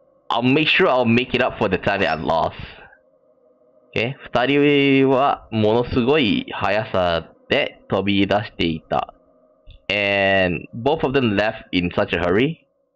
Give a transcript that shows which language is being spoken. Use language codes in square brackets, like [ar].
[en] I'll make sure I'll make it up for the time that I lost. Okay, [ja] 二人はものすごい速さで飛び出していた。 [en] And both of them left in such a hurry.